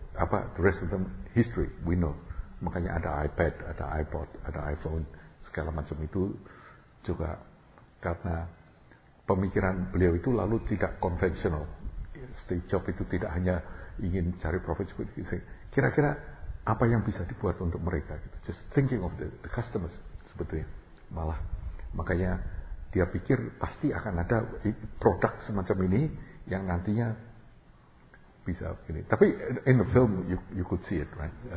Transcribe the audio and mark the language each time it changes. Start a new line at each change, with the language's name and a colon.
English: The rest of them history, we know.
Indonesian: Makanya ada iPad, ada iPod, ada iPhone, segala macam itu juga karena pemikiran beliau itu lalu tidak konvensional. Steve Jobs itu tidak hanya ingin cari profit, kira-kira apa yang bisa dibuat untuk mereka.
English: Just thinking of the customers
Indonesian: sebetulnya. Malah, makanya dia pikir pasti akan ada produk semacam ini yang nantinya bisa ini. Tapi
English: in the film you could see it, right?